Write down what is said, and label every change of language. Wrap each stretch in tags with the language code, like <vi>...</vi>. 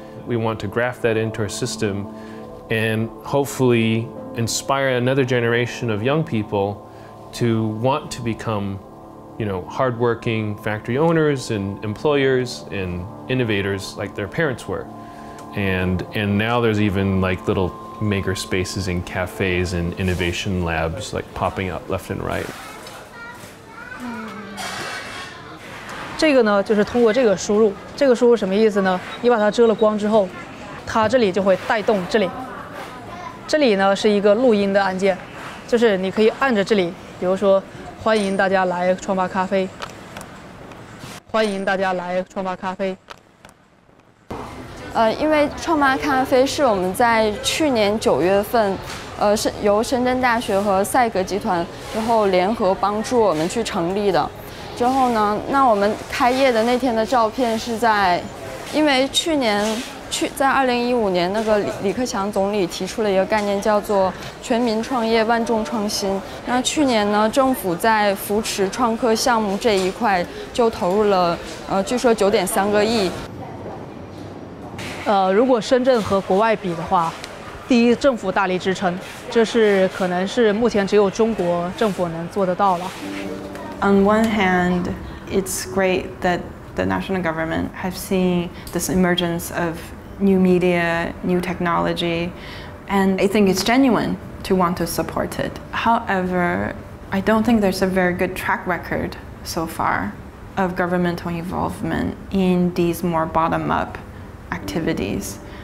<en>We want to graft that into our system and hopefully inspire another generation of young people to want to become, you know, hardworking factory owners and employers and innovators like their parents were. And now there's even like littlemaker spaces and cafes and innovation labs like popping up left and right.</en> <zh>这个呢就是通过这个输入，这个输入什么意思呢？你把它遮了光之后，它这里就会带动这里。这里呢是一个录音的按键，就是你可以按着这里，比如说欢迎大家来创吧咖啡，欢迎大家来创吧咖啡。因为创吧咖啡是我们在去年九月份由深圳大学和赛格集团然后联合帮助我们去成立的。之后呢，那我们开业的那天的照片是在，因为在2015年那个李克强总理提出了一个概念叫做全民创业万众创新。那去年呢，政府在扶持创客项目这一块就投入了据说9.3亿。如果深圳和国外比的话，第一，政府大力支撑，这是可能是目前只有中国政府能做得到了。</zh> <en>On one hand, it's great that the national government have seen this emergence of new media, new technology, and I think it's genuine to want to support it. However, I don't think there's a very good track record so far of governmental involvement in these more bottom-up activities.</en>